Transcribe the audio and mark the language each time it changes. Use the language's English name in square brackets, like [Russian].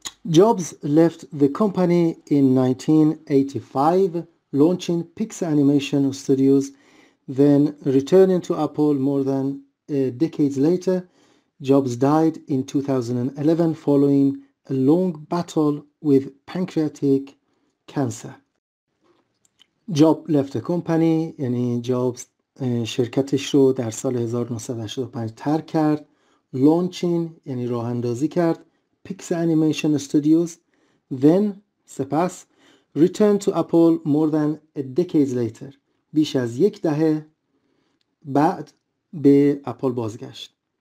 [English] Jobs left the company in 1985 launching Pixar Animation Studios then returning to Apple more than decades later Jobs died in 2011 following a long battle with pancreatic cancer. Job left the company, [Persian] یعنی Jobs شرکتش رو در سال 1985 ترک کرد. Launching یعنی راه اندازی کرد. [English] Pixar Animation Studios. Then, [Persian] سپس, [English] returned to Apple more than a decade later. [Persian] بیش از یک دهه بعد به اپل بازگشت.